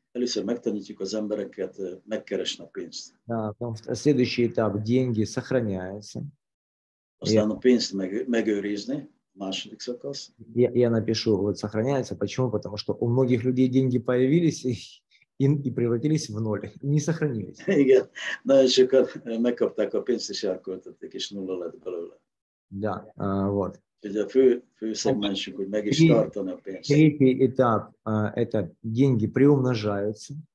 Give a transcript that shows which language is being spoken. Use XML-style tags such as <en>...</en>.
<hu>Először megtanítjuk az embereket megkeresni a pénzt.</hu> <ru>Да, потом следующий этап – деньги сохраняются.</ru> <hu>Aztán a pénzt megőrizni, második szakasz.</hu> <ru>Я напишу, вот сохраняется. Почему? Потому что у многих людей деньги появились и превратились в ноль, не сохранились.</ru> <hu>Igen, na, és akkor megkapták a pénzt és elköltötték, és nulla lett belőle.</hu> <ru>Да, вот. Третий этап – это деньги приумножаются.</ru>